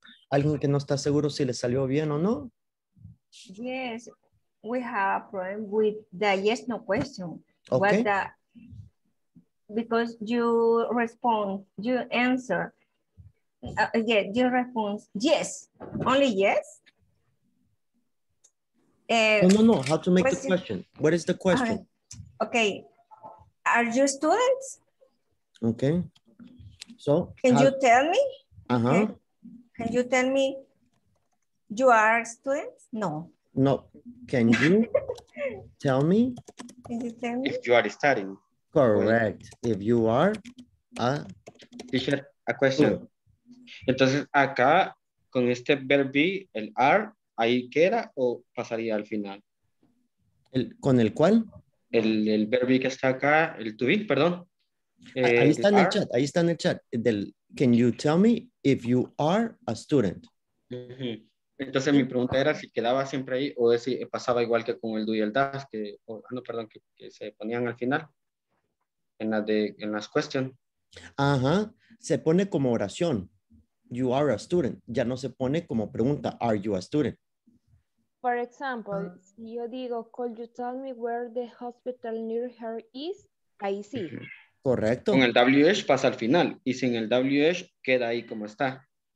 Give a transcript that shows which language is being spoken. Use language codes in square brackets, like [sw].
[es] ¿Alguien que no está seguro si le salió bien o no? [en] Yes, we have a problem with the yes, no question. Okay. What the, because you respond, you answer. Yeah, your response, yes, only yes. No, how to make the question? What is the question? Okay, are you students? Okay. So can you tell me? Uh-huh. Can you tell me you are students? No. No. Can you tell me? Can you tell me if you are studying? Correct. Well, if you are a teacher, a question. [es] Entonces acá con este verb be, el are, ahí queda o pasaría al final. El con el cual? El verb be que está acá, el to be, perdón. Ahí está en el chat, ahí está en el chat. [en] Del, can you tell me if you are a student? [es] Entonces mi pregunta era si quedaba siempre ahí o si pasaba igual que con el do y el does, que, oh, no, perdón, que se ponían al final en las questions. Ajá, se pone como oración. [en] You are a student. [es] Ya no se pone como pregunta. [en] Are you a student? For example, [es] si yo digo, [en] could you tell me where the hospital near her is? [es] Ahí sí. Correcto. Con el WH pasa al final. Y sin el WH queda ahí como está.